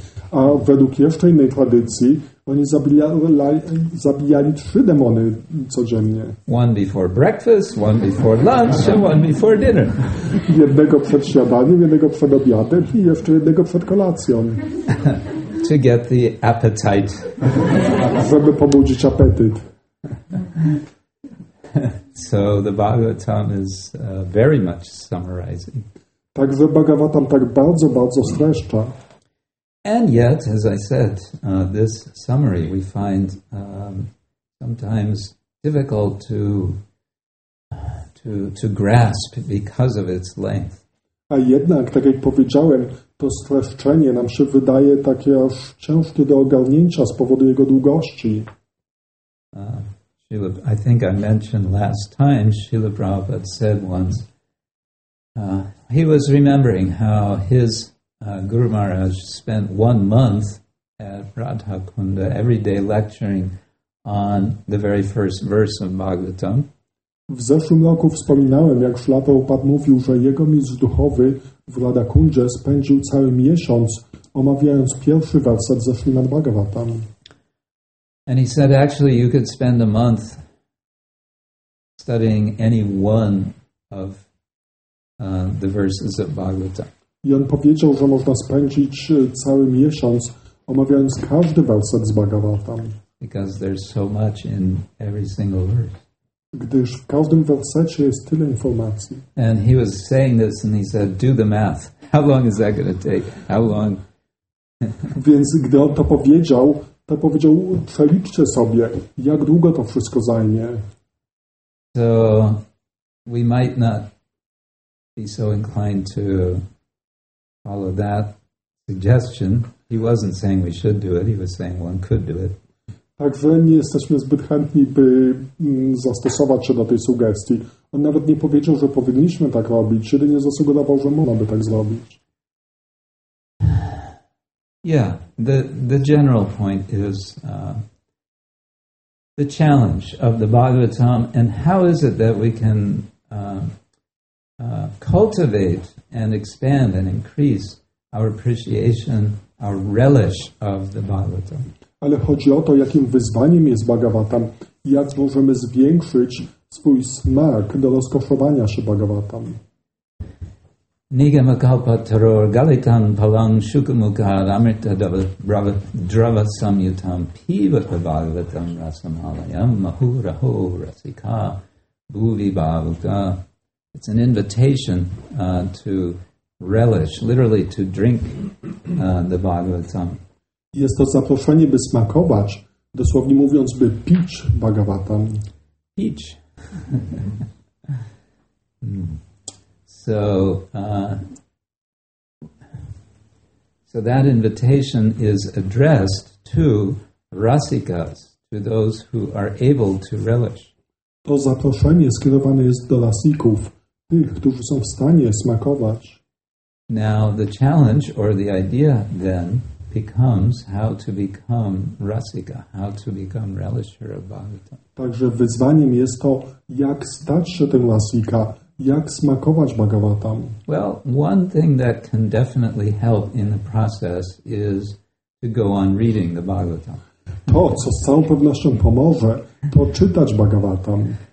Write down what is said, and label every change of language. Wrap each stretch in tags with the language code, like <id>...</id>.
<pl>A według jeszcze innej tradycji, oni zabijali trzy demony codziennie.</pl> <en>One before breakfast, one before lunch, and one before dinner.</en> <pl>Jednego przed śniadaniem, jednego przed obiadem i jeszcze jednego przed kolacją.</pl> <en>To get the appetite.</en> <pl>Żeby pobudzić apetyt.</pl> <en>So the Bhagavatam is very much summarizing.</en> <pl>Także Bhagavatam tak bardzo, bardzo streszcza.</pl> <en>And yet, as I said, this summary we find sometimes difficult to grasp because of its length.</en> <pl>A jednak, tak jak powiedziałem, to streszczenie nam się wydaje takie aż ciężkie do ogarnięcia z powodu jego długości.</pl> <en>I think I mentioned last time Srila Prabhupada said once he was remembering how his Guru Maharaj spent 1 month at Radhakunda every day lecturing on the very first verse of Bhagavatam.</en> <pl>W zeszłym roku wspominałem, jak Srila Prabhupada mówił, że jego mistrz duchowy w Radhakundzie spędził cały miesiąc omawiając pierwszy werset ze Srimad Bhagavatam.</pl> <en>And he said, actually, you could spend a month studying any one of the verses of Bhagavatam.</en> <pl>I on powiedział, że można spędzić cały miesiąc omawiając każdy werset z Bhagavatam.</pl> <en>Because there's so much in every single verse.</en> <pl>Gdyż w każdym wersecie jest tyle informacji.</pl> <en>And he was saying this and he said, do the math. How long is that going to take? How long?</en> <pl>Więc gdy on to powiedział, to powiedział, przeliczcie sobie, jak długo to wszystko zajmie.</pl> <en>So we might not be so inclined to follow that suggestion. He wasn't saying we should do it. He was saying one could do it.</en> <pl>Także nie jesteśmy zbyt chętni, by zastosować się do tej sugestii. On nawet nie powiedział, że powinniśmy tak robić, jedynie zasugerował, że można by tak zrobić.</pl> <en>Yeah, the general point is the challenge of the Bhagavatam and how is it that we can cultivate and expand and increase our appreciation, our relish of the Bhagavatam.</en> <pl>Ale chodzi o to, jakim wyzwaniem jest Bhagavatam i jak możemy zwiększyć swój smak do rozkoszowania się Bhagavatam.</pl> <sa>Nigamakalpa taror galitan palang shukamukhar amrita drava samyutam pivata bhagavatam rasamalayam mahuraho rasika bhuvi bhavuka.</sa> <en>It's an invitation to relish, literally to drink the Bhagavatam.</en> <pl>Jest to zaproszenie, by smakować, dosłownie mówiąc, by pić Bhagavatam. Pić.</pl> <en>So that invitation is addressed to rasikas, to those who are able to relish.</en> <pl>To zaproszenie skierowane jest do rasików, tych, którzy są w stanie smakować.</pl> <en>Now the challenge or the idea then becomes how to become rasika, how to become relisher of Bhagavatam.</en> <pl>Także wyzwaniem jest to, jak stać się tym rasika, jak smakować Bhagavatam.</pl> <en>Well, one thing that can definitely help in the process is to go on reading the Bhagavatam.</en> <pl>To, co z całą pewnością pomoże, to czytać Bhagavatam.</pl>